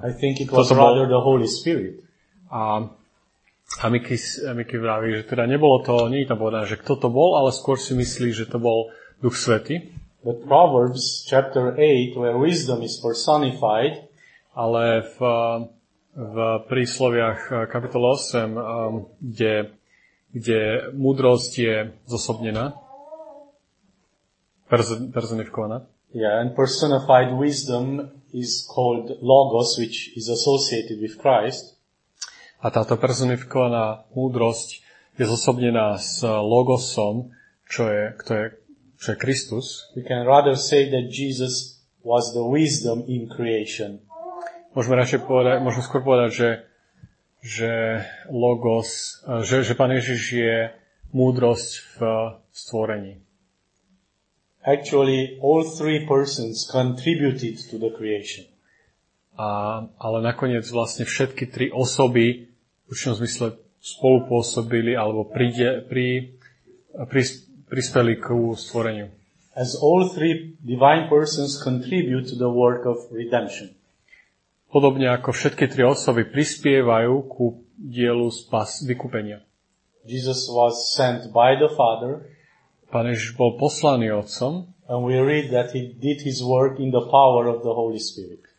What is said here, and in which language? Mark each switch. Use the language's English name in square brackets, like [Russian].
[English] I think it was rather the Holy Spirit. [Slovak] A Miky vraví, že teda nebolo to, nie je tam povedané, že kto to bol, ale skôr si myslí, že to bol Duch Svätý. [English] But Proverbs chapter 8, where wisdom is personified, [Slovak] ale v prísloviach kapitola 8, kde múdrosť je zosobnená, personifikovaná. [English] Yeah, and personified wisdom is called logos, which is associated with Christ. [Slovak] A táto personifikovaná múdrosť je zosobnená s logosom, čo je Kristus. [English] We can rather say that Jesus was the wisdom in creation. [Slovak] Môžeme skôr povedať, že logos, že Pán Ježiš je múdrosť v stvorení. [English] Actually, all three persons contributed to the creation. [Slovak] Ale nakoniec vlastne všetky tri osoby v určitom zmysle spolupôsobili alebo prispeli k stvoreniu. [English] As all three divine persons contribute to the work of redemption. [Slovak] Podobne ako všetky tri osoby prispievajú ku dielu vykúpenia. [English] Jesus was sent by the Father. [Slovak] Pán Ježiš bol poslaný Otcom. [English] And we read that he did his work in the power of the Holy Spirit.